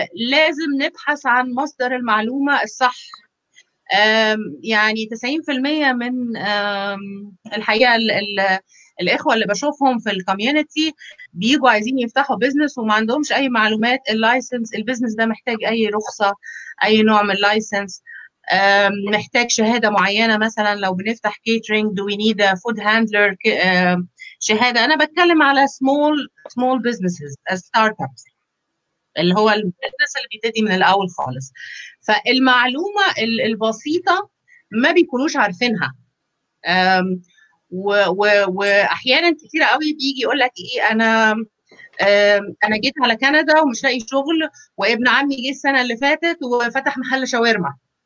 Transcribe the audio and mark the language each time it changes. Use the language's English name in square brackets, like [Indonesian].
[Arabic] لازم نبحث عن مصدر المعلومة الصح. يعني 90% من الحقيقة الإخوة اللي بشوفهم في الكوميونتي بيجوا عايزين يفتحوا بيزنس وما عندهمش أي معلومات اللايسنس. البيزنس ده محتاج أي رخصة, أي نوع من اللايسنس, محتاج شهادة معينة. مثلا لو بنفتح كيترينج [English] do we need a food handler [Arabic] شهادة. أنا بتكلم على [English] small businesses as startups [Arabic] اللي هو البيزنس اللي بيبتدي من الأول خالص. فالمعلومة البسيطة ما بيكونوش عارفينها. واحيانا كتير قوي بيجي يقول لك ايه انا جيت على كندا ومش لاقي شغل, وابن عمي جه السنه اللي فاتت وفتح محل شاورما.